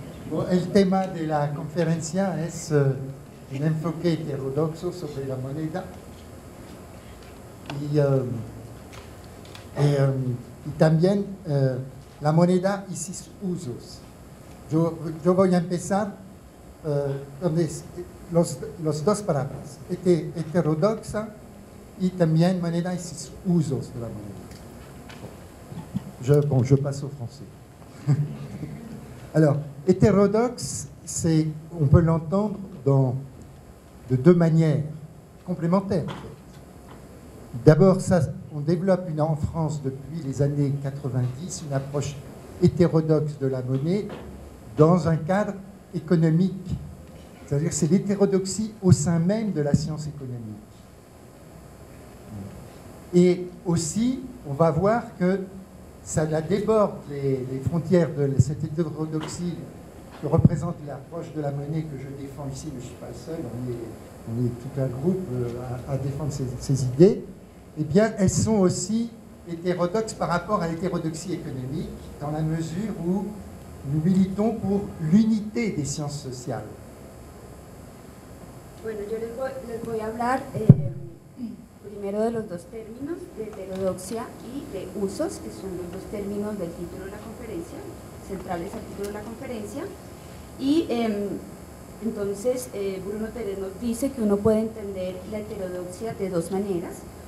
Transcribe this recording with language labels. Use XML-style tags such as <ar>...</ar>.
<es>Bueno, el tema de la conferencia es un enfoque heterodoxo sobre la moneda y también la moneda y sus usos. Yo voy a empezar con los dos palabras, heterodoxa y también moneda y sus usos de la moneda.</es> <fr>Je passe au français. Alors, hétérodoxe, c'est, on peut l'entendre de deux manières complémentaires. D'abord, on développe en France depuis les années 90 une approche hétérodoxe de la monnaie dans un cadre économique. C'est-à-dire que c'est l'hétérodoxie au sein même de la science économique. Et aussi, on va voir que ça la déborde les frontières de cette hétérodoxie que représente l'approche de la monnaie que je défends ici, mais je ne suis pas le seul, on est tout un groupe à défendre ces idées, eh bien, elles sont aussi hétérodoxes par rapport à l'hétérodoxie économique, dans la mesure où nous militons pour l'unité des sciences sociales.</fr> <es>Bueno, yo les voy a hablar primero de los dos términos, de heterodoxia y de usos, que son los dos términos del título de la conferencia, centrales al título de la conferencia. Y entonces Bruno Teret nos dice que uno puede entender la heterodoxia de dos maneras.</es>